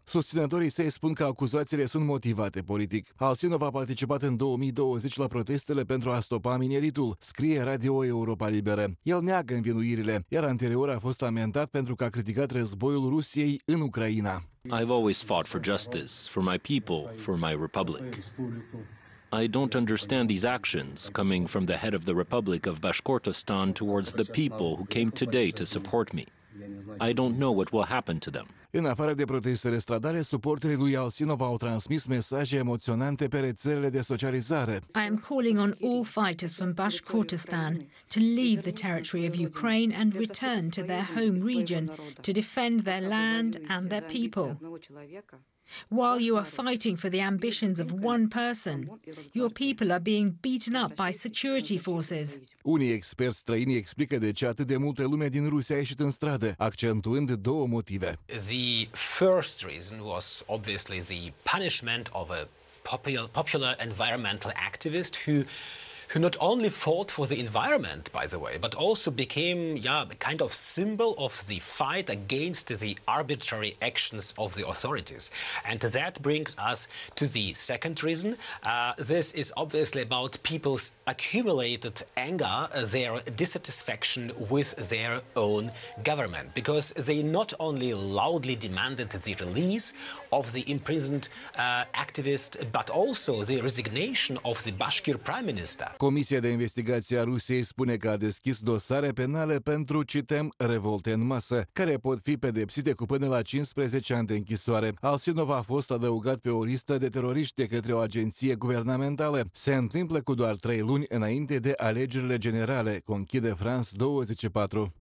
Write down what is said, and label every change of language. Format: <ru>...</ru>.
<ro>Susținătorii săi spun că acuzațiile sunt motivate politic. Alsınov a participat în 2020 la protestele pentru a stopa mineritul, scrie Radio Europa Liberă. El neagă învinuirile, iar anterior a fost amendat pentru că a criticat războiul Rusiei în Ucraina.</ro> <en>I've always fought for justice, for my people, for my republic. I don't understand these actions coming from the head of the Republic of Bashkortostan towards the people who came today to support me. I don't know what will happen to them.</en> <ro>În afară de protestele stradale, suporterii lui Alsınov au transmis mesaje emoționante pe rețelele de socializare.</ro> <en>I am calling on all fighters from Bashkortostan to leave the territory of Ukraine and return to their home region to defend their land and their people. While you are fighting for the ambitions of one person, your people are being beaten up by security forces.</en> <ro>Unii experți străini explică de ce atât de multe lume din Rusia a ieșit în stradă, accentuând două motive.</ro> <en>The first reason was obviously the punishment of a popular environmental activist who not only fought for the environment, by the way, but also became a kind of symbol of the fight against the arbitrary actions of the authorities. And that brings us to the second reason. This is obviously about people's accumulated anger, their dissatisfaction with their own government, because they not only loudly demanded the release of the imprisoned activist, but also the resignation of the Bashkir prime minister.</en> <ro>Comisia de investigație a Rusiei spune că a deschis dosare penale pentru, citem, revolte în masă, care pot fi pedepsite cu până la 15 ani de închisoare. Alsınov a fost adăugat pe o listă de teroriști de către o agenție guvernamentală. Se întâmplă cu doar 3 luni înainte de alegerile generale, conchide France 24.</ro>